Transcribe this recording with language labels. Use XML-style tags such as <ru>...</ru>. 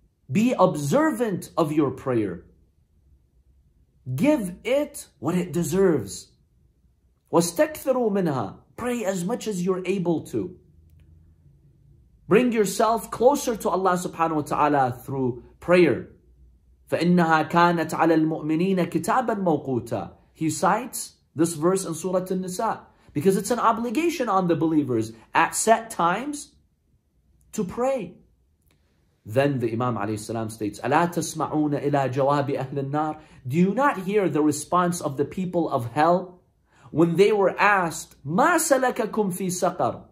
<en>Be observant of your prayer. Give it what it deserves.</en> <ar>واستكثروا منها.</ar> <en>Pray as much as you're able to. Bring yourself closer to Allah subhanahu wa ta'ala through prayer.</en> <ar>فإنها كانت على المؤمنين كتابا موقوتا.</ar> <en>He cites this verse in Surah An-Nisa, because it's an obligation on the believers at set times to pray. Then the Imam alayhi salam states,</en> <ar>أَلَا تَسْمَعُونَ إِلَى جَوَابِ أَهْلِ النَّارِ.</ar> <en>Do you not hear the response of the people of hell when they were asked,</en> <ar>مَا سَلَكَكُمْ فِي سَقَرِ.</ar>